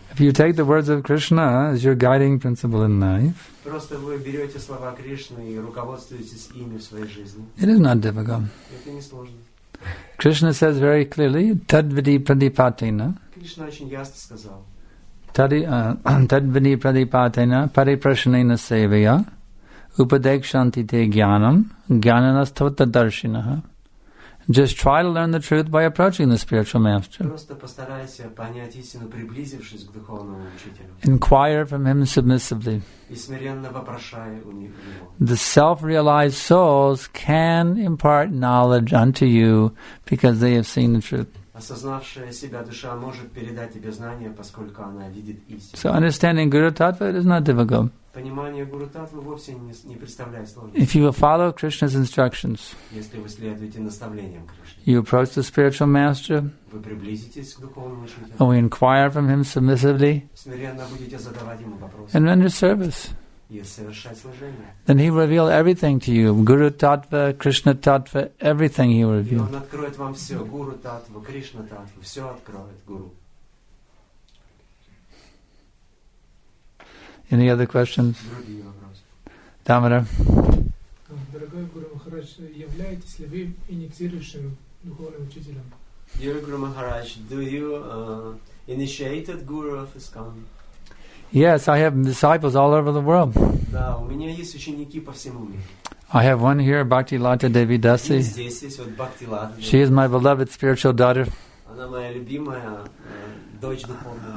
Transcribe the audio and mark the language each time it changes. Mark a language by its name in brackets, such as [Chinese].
[English] If you take the words of Krishna as your guiding principle in life, [Russian] просто вы берете слова Кришны и руководствуетесь ими в своей жизни. [English] It is not difficult. [Russian] Это не сложно. [English] Krishna says very clearly, [Sanskrit] Tadvidi Pradipatena. [Russian] Krishna очень ясно сказал. [Sanskrit] Tadvidi Pradipatena, Pariprashanena Sevaya, Upadekshanti Te Jnanam, Jnananastvata Darshinaha. [English] Just try to learn the truth by approaching the spiritual master. [Russian] Просто постарайся понять истину, приблизившись к духовному учителю. [English] Inquire from him submissively. [Russian] И смиренно вопрошая у него. [English] The self-realized souls can impart knowledge unto you because they have seen the truth. [Russian] Осознавшая себя душа может передать тебе знания, поскольку она видит истину. [English] So understanding Guru Tattva is not difficult. [Russian] Понимание Гуру Таттвы вовсе не представляет сложности. [English] If you will follow Krishna's instructions, [Russian] если вы следуете наставлениям Кришны, [English] you approach the spiritual master, [Russian] вы приблизитесь к духовному учителю, [English] and we inquire from him submissively, [Russian] смиренно будете задавать ему вопросы, [English] and render service, [Russian] и совершать служение, [English] then he will reveal everything to you, Guru Taттва, Krishna Taттва, everything he will reveal. [Russian] И он откроет вам все, Гуру Таттва, Кришна Таттва, все откроет Гуру. [English] Any other questions? Тамара. [Russian] Дорогой Гуру Махарадж, являетесь ли вы инициирующим духовным учителем? [English] Dear Guru Maharaj, do you initiated Guru of ISKCON? Yes, I have disciples all over the world. [Russian] Да, у меня есть ученики по всему миру. [English] I have one here, Bhakti Lata Devi Dasi. She is my beloved spiritual daughter. [Russian] Она моя любимая дочь духовная.